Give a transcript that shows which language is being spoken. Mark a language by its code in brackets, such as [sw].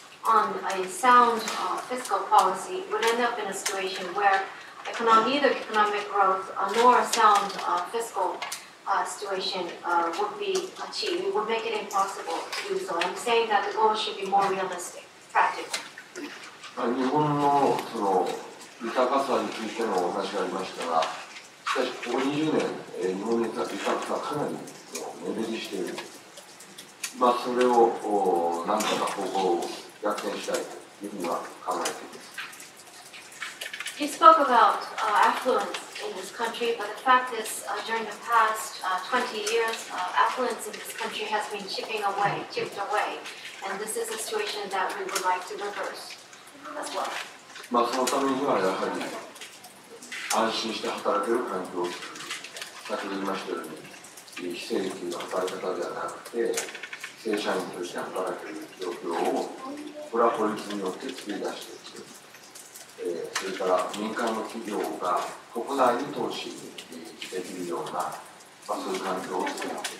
[en] On a sound fiscal policy, would end up in a situation where neither economic growth nor a sound fiscal situation would be achieved. It would make it impossible to do so. I'm saying that the goal should be more realistic, practical. [ja] 日本のその豊かさについてのお話がありましたが、しかしここ20年、日本の豊かさはかなり目減りしている。それを何とか方法を逆転したいというふうには考えています。 [en] You spoke about affluence in this country, but the fact is, during the past 20 years, affluence in this country has been chipped away, and this is a situation that we would like to reverse as well. [ja] まあ、そのためにはやはり安心して働ける環境、先ほど言いましたように非正規の働き方ではなくて正社員として働ける状況をこれは法律によって作り出していく、それから民間の企業が国内に投資できるような、まあ、そういう環境を作ってい